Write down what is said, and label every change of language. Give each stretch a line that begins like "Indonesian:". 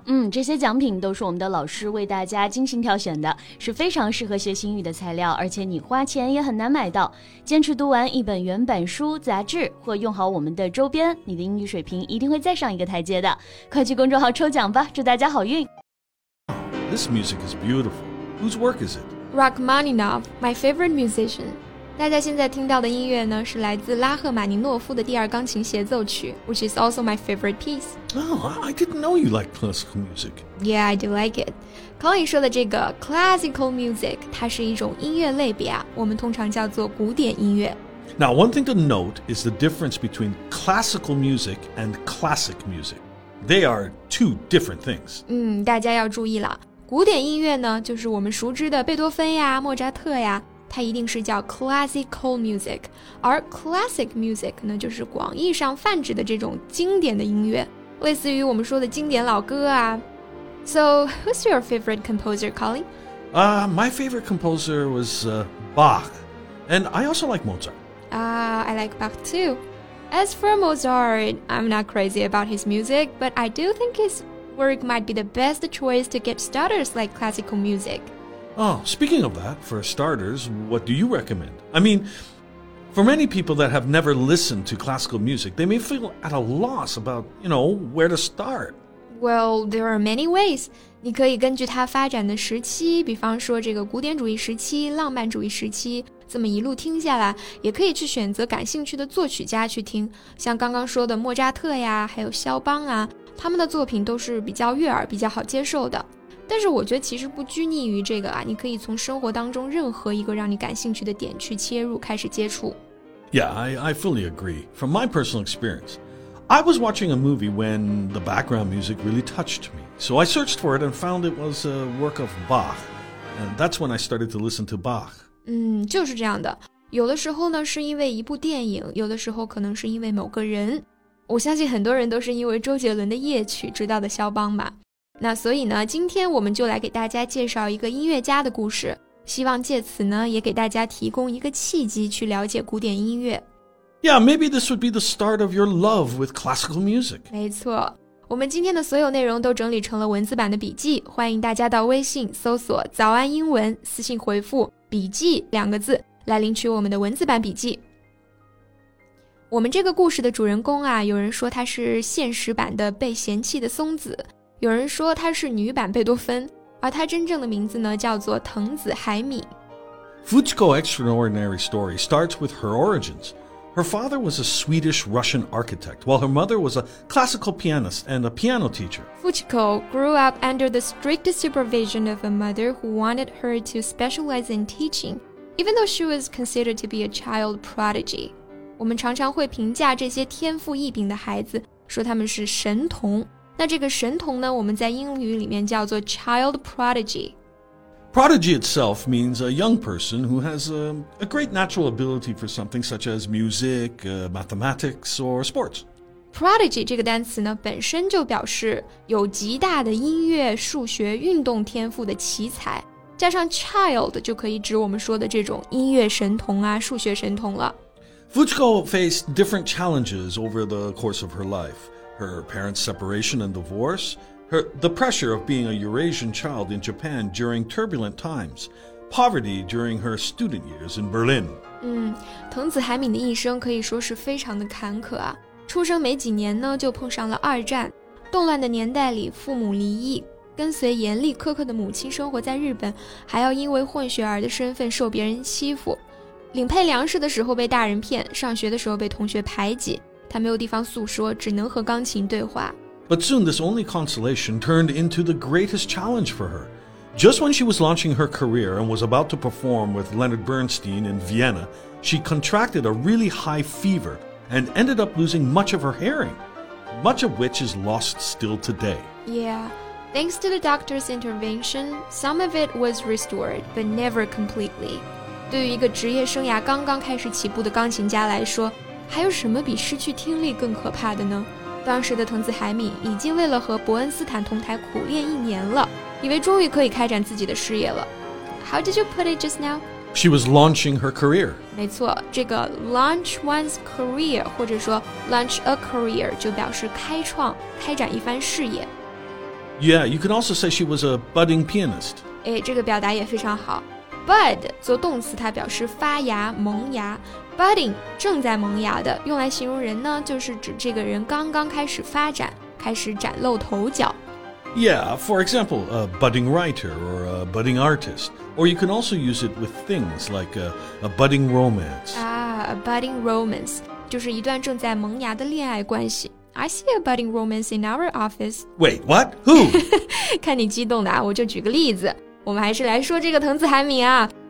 Chinese: 嗯，这些奖品都是我们的老师为大家精心挑选的，是非常适合学习英语的材料，而且你花钱也很难买到。坚持读完一本原版书、杂志或用好我们的周边，你的英语水平一定会再上一个台阶的。快去公众号抽奖吧，祝大家好运。
English: This music is beautiful. Whose work is it? Rachmaninoff, my favorite musician.
Chinese: 大家现在听到的音乐呢，是来自拉赫玛尼诺夫的第二钢琴协奏曲 ,
English: which is also my favorite piece. Oh, I didn't know you liked classical music. Yeah, I do like it.
Chinese: Colin 说的这个 classical music, 它是一种音乐类别啊，我们通常叫做古典音乐。
English: Now, one thing to note is the difference between classical music and classic music. They are two different things.
Chinese: 大家要注意了。古典音乐呢，就是我们熟知的贝多芬呀、莫扎特呀，它一定是叫 classical music, 而 classic music 呢，就是广义上泛指的这种经典的音乐，类似于我们说的经典老歌啊。
English: So, who's your favorite composer, Colin? My favorite composer was Bach, and I also like Mozart. I like Bach too. As for Mozart, I'm not crazy about his music, but I do think his work might be the best choice to get starters like classical music. Oh, speaking of that, for starters, what do you recommend? I mean, for many people that have never listened to classical music, they may feel at a loss about, you know, where to start. Well, there are many ways.
Chinese: 你可以根据它发展的时期，比方说这个古典主义时期、浪漫主义时期，这么一路听下来，也可以去选择感兴趣的作曲家去听，像刚刚说的莫扎特呀，还有肖邦啊，他们的作品都是比较悦耳、比较好接受的。但是我觉得其实不拘泥于这个啊，你可以从生活当中任何一个让你感兴趣的点去切入，开始接触。
English: Yeah, I fully agree. From my personal experience, I was watching a movie when the background music really touched me. So I searched for it and found it was a work of Bach. And that's when I started to listen to Bach.
Chinese: 就是这样的。有的时候呢，是因为一部电影，有的时候可能是因为某个人。我相信很多人都是因为周杰伦的夜曲知道的肖邦吧。那所以呢，今天我们就来给大家介绍一个音乐家的故事，希望借此呢，也给大家提供一个契机去了解古典音乐。
English: Yeah, maybe this would be the start of your love with classical music.
Chinese: 没错，我们今天的所有内容都整理成了文字版的笔记，欢迎大家到微信搜索早安英文，私信回复笔记两个字，来领取我们的文字版笔记。我们这个故事的主人公啊，有人说他是现实版的被嫌弃的松子，有人说他是女版贝多芬，而他真正的名字呢，叫做藤子海米。
English: Fuchko's extraordinary story starts with her origins. Her father was a Swedish-Russian architect, while her mother was a classical pianist and a piano teacher. Fuchko grew up under the strict supervision of a mother who wanted her to specialize in teaching, even though she was considered to be a child prodigy.
Chinese: 我们常常会评价这些天赋异禀的孩子，说他们是神童。那这个神童呢，我们在英语里面叫做 child prodigy.
English: Prodigy itself means a young person who has a great natural ability for something such as music, mathematics, or sports.
Chinese: Prodigy 这个单词呢，本身就表示有极大的音乐、数学、运动天赋的奇才，加上 child 就可以指我们说的这种音乐神童啊、数学神童了。
English: Fuchko faced different challenges over the course of her life. Her parents' separation and divorce, the pressure of being a Eurasian child in Japan during turbulent times, poverty during her student years in Berlin.
Chinese: 藤子海敏的一生可以说是非常的坎坷啊。出生没几年呢，就碰上了二战。动乱的年代里，父母离异，跟随严厉苛刻的母亲生活在日本，还要因为混血儿的身份受别人欺负。领配粮食的时候被大人骗，上学的时候被同学排挤。他没有地方诉说，只能和钢琴对话。
English: But soon this only consolation turned into the greatest challenge for her. Just when she was launching her career and was about to perform with Leonard Bernstein in Vienna, she contracted a really high fever and ended up losing much of her hearing, much of which is lost still today. Yeah, thanks to the doctor's intervention, some of it was restored, but never completely.
Chinese: 对于一个职业生涯刚刚开始起步的钢琴家来说，还有什么比失去听力更可怕的呢？当时的藤子海敏已经为了和伯恩斯坦同台苦练一年了，以为终于可以开展自己的事业了。
English: How did you put it just now? She was launching her career.
Chinese: 没错，这个 launch one's career 或者说 launch a career 就表示开创、开展一番事业。
English: Yeah, you can also say she was a budding pianist.
Chinese: 哎，这个表达也非常好。 Bud 做动词，它表示发芽、萌芽。Budding 正在萌芽的，用来形容人呢，就是指这个人刚刚开始发展，开始崭露头角。
English: Yeah, for example, a budding writer or a budding artist. Or you can also use it with things like a budding romance. A budding romance.
Chinese: 就是一段正在萌芽的恋爱关系。
English: I see a budding romance in our office. Wait, what? Who?
Chinese: 看你激动的啊，我就举个例子。我们还是来说这个藤子海敏啊。